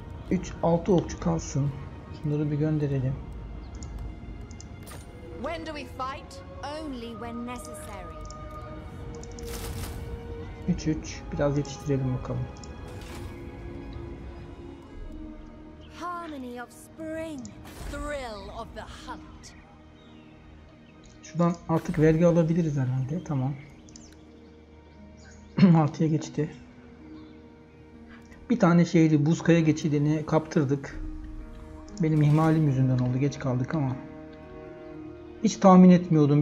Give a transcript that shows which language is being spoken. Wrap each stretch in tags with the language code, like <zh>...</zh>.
<tr>3-6 okçu kalsın. Şunları bir gönderelim.</tr> <en>When do we fight? Only when necessary.</en> <tr>3-3 biraz yetiştirelim bakalım.</tr> <en>Harmony of spring, thrill of the hunt.</en> <tr>Şuradan artık vergi alabiliriz herhalde. Tamam. 6'ya geçti. Bir tane şehri Buzkaya geçidini kaptırdık. Benim ihmalim yüzünden oldu. Geç kaldık ama. Hiç tahmin etmiyordum.</tr>